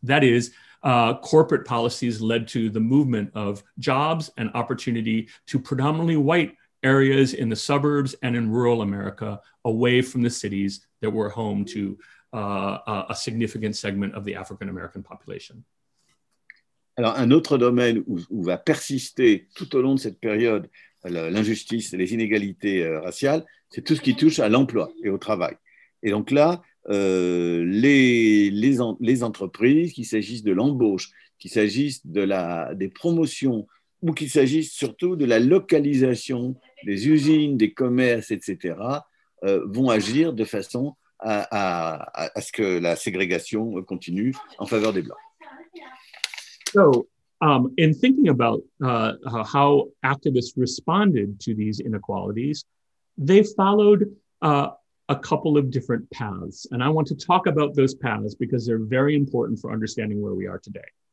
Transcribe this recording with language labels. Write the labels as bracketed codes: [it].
[en] That is, corporate policies led to the movement of jobs and opportunity to predominantly white areas in the suburbs and in rural America, away from the cities that were home to a significant segment of the African American population. [fr] Alors, un autre domaine où va persister tout au long de cette période l'injustice et les inégalités raciales, c'est tout ce qui touche à l'emploi et au travail. Et donc là, les entreprises, qu'il s'agisse de l'embauche, qu'il s'agisse des promotions, ou qu'il s'agisse surtout de la localisation des usines, des commerces, etc., vont agir de façon à ce que la ségrégation continue en faveur des Blancs. [en] So, in thinking about how activists responded to these inequalities, they followed a couple of different paths. And I want to talk about those paths because they're very important for understanding where we are today.